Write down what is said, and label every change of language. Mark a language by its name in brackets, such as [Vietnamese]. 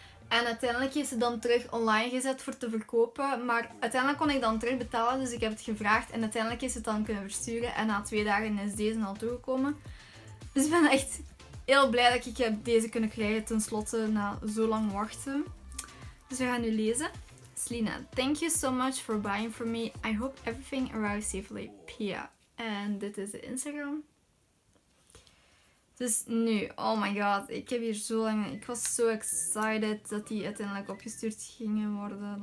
[Dutch] En uiteindelijk is het dan terug online gezet voor te verkopen. Maar uiteindelijk kon ik dan terugbetalen, dus ik heb het gevraagd. En uiteindelijk is het dan kunnen versturen. En na 2 dagen is deze al toegekomen. Dus ik ben echt heel blij dat ik heb deze kunnen krijgen, tenslotte na zo lang wachten. Dus we gaan nu lezen. [English] Selina, thank you so much for buying for me. I hope everything arrives safely. [Dutch] Pia. En dit is de Instagram. Dus nu, [English] oh my god, [Dutch] ik heb hier zo lang... Ik was zo excited dat die uiteindelijk opgestuurd gingen worden.